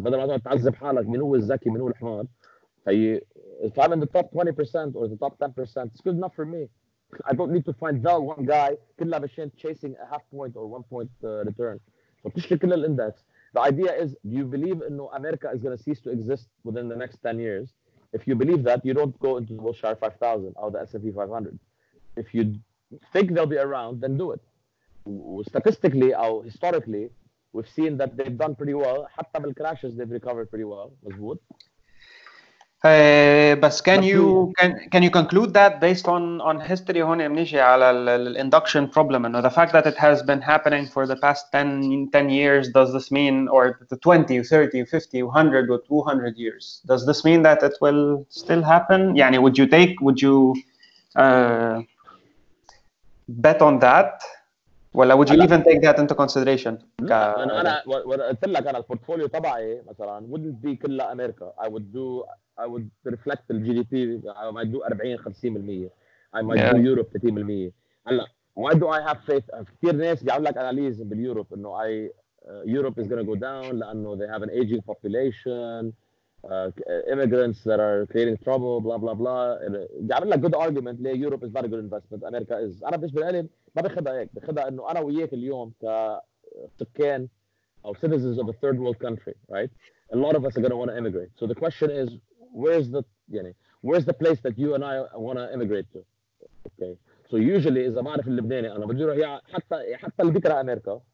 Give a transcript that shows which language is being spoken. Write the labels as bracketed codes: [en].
[ar] بدل ما تقعد تعذب حالك من هو الذكي من هو الحمار. [en] If I'm in the top 20% or the top 10%, it's good enough for me. I don't need to find the one guy [ar] كلها مشان [en] chasing a half point or one point return. [ar] So بتشتري كل الاندكس. [en] The idea is, do you believe إنه America is going to cease to exist within the next 10 years? If you believe that, you don't go into the Wilshire 5000 or the S&P 500. If you think they'll be around, then do it. Statistically or historically, we've seen that they've done pretty well. [ar] حتى بالكراشز, [en] they've recovered pretty well. مزبوط. بس can you conclude that based on history [ar] هون منيجي على ال [en] induction problem, and the fact that it has been happening for the past 10 years, does this mean, or the 20, 30, 50, 100, or 200 years, does this mean that it will still happen? يعني would you bet on that? ولا would you even take that into consideration? [ar] أنا قلت لك أنا البورتفوليو تبعي مثلاً [en] wouldn't be [ar] كلها أمريكا. [en] I would reflect the GDP. I might do 40-50%. I might do Europe 30%. Why do I have faith? [ar] كثير ناس بيعمل لك أناليز باليوروب إنه [en] Europe is gonna go down لأنه they have an aging population, immigrants that are creating trouble, blah blah blah. [ar] بيعمل لك [en] good argument ليه Europe is not a good investment. America is. [ar] أنا بالنسبة لي ما بخدها هيك. بخدها إنه أنا وياك اليوم كسكان أو [en] citizens of a third world country, right? A lot of us are gonna want to immigrate. So the question is, where's the place that you and I want to immigrate to? Okay. So usually, [ar] إذا ما أعرف اللبناني أنا بدي أروح حتى اللي بيكره أمريكا.